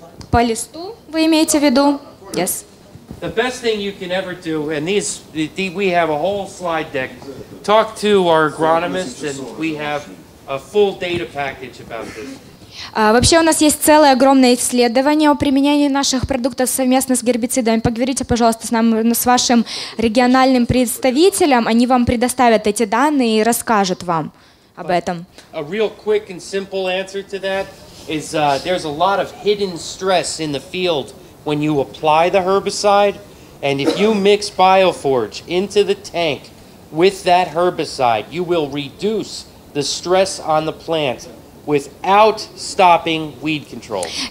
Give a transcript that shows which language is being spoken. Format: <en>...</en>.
<ru>По листу вы имеете в виду?</ru> <en>Yes. The best thing you can ever do, and we have a whole slide deck. Talk to our agronomists, and we have a full data package about this.</en> <ru>Вообще у нас есть целое огромное исследование о применении наших продуктов совместно с гербицидами. Поговорите, пожалуйста, с нами, с вашим региональным представителем. Они вам предоставят эти данные и расскажут вам об этом.</ru> <en>A real quick and simple answer to that is there's a lot of hidden stress in the field. When you apply the herbicide, and if you mix BioForge into the tank with that herbicide, you will reduce the stress on the plant without stopping weed control.</en>